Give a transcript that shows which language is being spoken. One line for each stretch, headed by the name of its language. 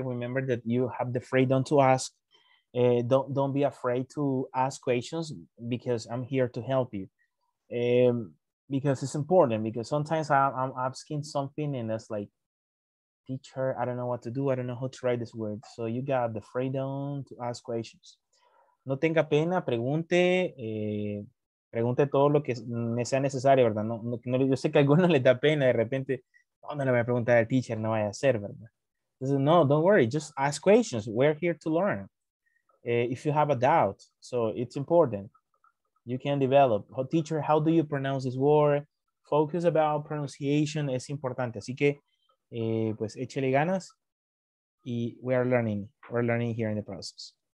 English: Remember that you have the freedom to ask. Don't be afraid to ask questions because I'm here to help you. Because it's important, because sometimes I'm asking something and it's like, teacher, I don't know what to do. I don't know how to write this word. So you got the freedom to ask questions.
Spanish: No tenga pena, pregunte. Pregunte todo lo que me sea necesario, ¿verdad? No, yo sé que a algunos les da pena de repente, ¿dónde le voy a preguntar al teacher? No vaya a ser, ¿verdad? Entonces, no,
English: don't worry. Just ask questions. We're here to learn. If you have a doubt, so it's important. You can develop. Oh, teacher, how do you pronounce this word? Focus about pronunciation.
Spanish: Es importante. Así que, pues, échele ganas.
English: Y we are learning. We're learning here in the process.